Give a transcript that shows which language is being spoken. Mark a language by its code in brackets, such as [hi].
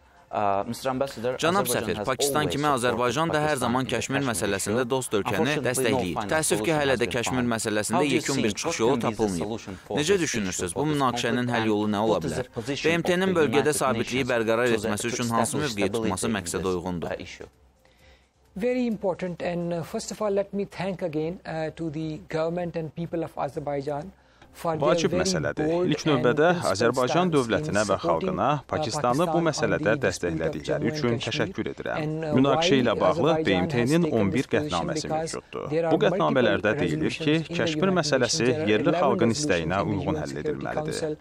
[az] Cənab səfir, Pakistan kimi Azərbaycan da hər zaman Kəşmir məsələsində dost ölkəni dəstəkləyir. Təəssüf ki, hələ də Kəşmir məsələsində yekun bir çıxış yolu tapılmayıb. Necə düşünürsünüz, bu münaqişənin həll yolu nə ola bilər? BMT-nin bölgədə sabitliyi bərqərar etməsi üçün hansı mövqeyi tutması məqsədə uyğundur? [en] Very important and first of all let me thank again to the government and people of Azerbaijan. [az] Vacib məsələdir. İlk növbədə Azərbaycan dövlətinə və xalqına Pakistanı bu məsələdə dəstəklədikləri üçün təşəkkür edirəm. Münaqişə ilə bağlı BMT-nin 11 qətnaməsi mövcuddur. Bu qətnamələrdə deyilir ki, Kəşmir məsələsi yerli xalqın istəyinə uyğun həll edilməlidir.